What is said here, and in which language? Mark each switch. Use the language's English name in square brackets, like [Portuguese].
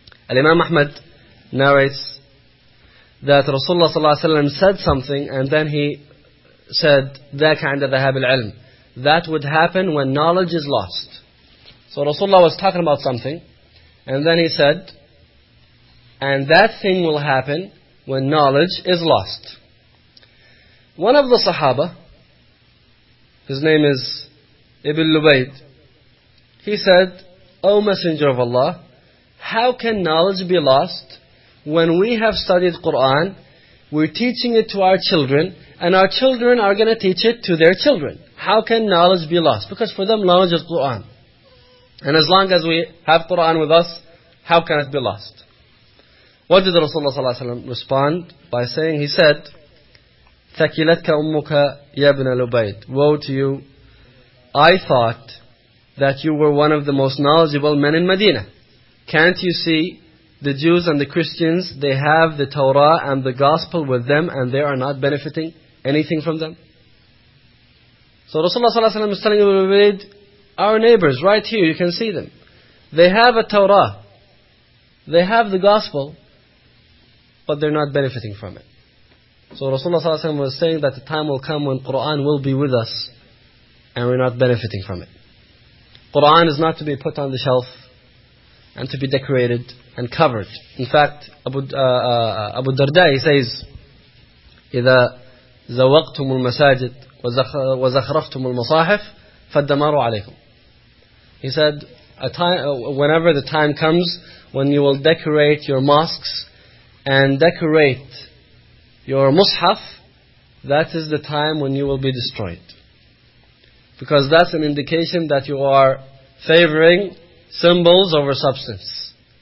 [English] الإمام أحمد narrates that Rasulullah صلى الله عليه وسلم said something and then he said [Arabic] ذاك عند ذهاب العلم. [English] That would happen when knowledge is lost. So Rasulullah was talking about something and then he said, and that thing will happen when knowledge is lost. One of the Sahaba, his name is Ibn Lubayd, he said, O Messenger of Allah, how can knowledge be lost when we have studied Qur'an, we're teaching it to our children, and our children are going to teach it to their children? How can knowledge be lost? Because for them, knowledge is Qur'an. And as long as we have Qur'an with us, how can it be lost? What did Rasulullah ﷺ respond by saying? He said, [Arabic] ثَكِلَتْكَ أُمُّكَ يَا بْنَ لُبَيْدِ. [English] Woe to you, I thought that you were one of the most knowledgeable men in Medina. Can't you see the Jews and the Christians, they have the Torah and the Gospel with them and they are not benefiting anything from them? So Rasulullah ﷺ is telling Ibn Lubayd, our neighbors right here, you can see them. They have a Torah, they have the Gospel, but they're not benefiting from it. So Rasulullah ﷺ was saying that the time will come when Qur'an will be with us, and we're not benefiting from it. Qur'an is not to be put on the shelf and to be decorated and covered. In fact, Abu Darda, he says, [Arabic] إِذَا زَوَقْتُمُ الْمَسَاجِدِ وَزَخْرَفْتُمُ الْمَصَاحِفِ فَالدَّمَارُ عَلَيْكُمْ. [English] He said, whenever the time comes when you will decorate your mosques and decorate your mushaf, that is the time when you will be destroyed. Because that's an indication that you are favoring symbols over substance.